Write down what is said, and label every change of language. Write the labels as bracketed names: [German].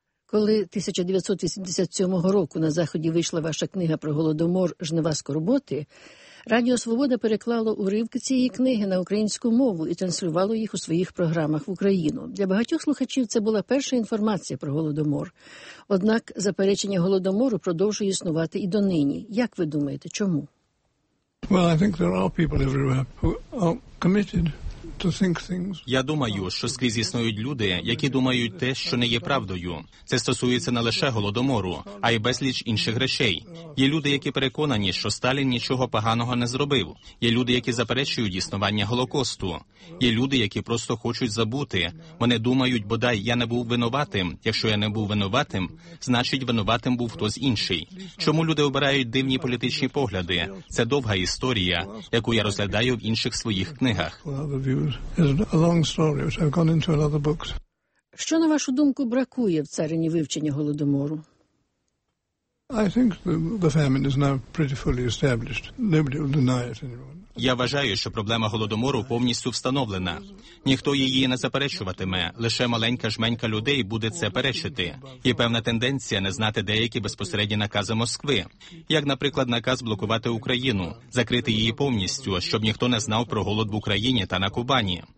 [Ukrainian] Коли 1987 року на Заході вийшла ваша книга про Голодомор «Жнива скорботи», Радіо Свобода переклало уривки цієї книги на українську мову і транслювало їх у своїх програмах в Україну. Для багатьох слухачів це була перша інформація про Голодомор. Однак заперечення Голодомору продовжує існувати і донині. Як ви думаєте, чому? [English] Well, I think there are people everywhere who are committed. [Ukrainian] Я думаю, що скрізь існують люди, які думають те, що не є правдою. Це стосується не лише Голодомору, а й безліч інших речей. Є люди, які переконані, що Сталін нічого поганого не зробив. Є люди, які заперечують існування Голокосту. Є люди, які просто хочуть забути. Вони думають, бодай я не був винуватим. Якщо я не був винуватим, значить винуватим був хтось інший. Чому люди обирають дивні політичні погляди? Це довга історія, яку я розглядаю в інших своїх книгах. Що, на вашу думку, бракує в царині вивчення Голодомору? [English] I think the famine is now pretty fully established. Nobody will deny it anymore. [Ukrainian] Я вважаю, що проблема Голодомору повністю встановлена. Ніхто її не заперечуватиме, лише маленька жменька людей буде це перечити. І певна тенденція не знати деякі безпосередні накази Москви. Як, наприклад, наказ блокувати Україну, закрити її повністю, щоб ніхто не знав про голод в Україні та на Кубані.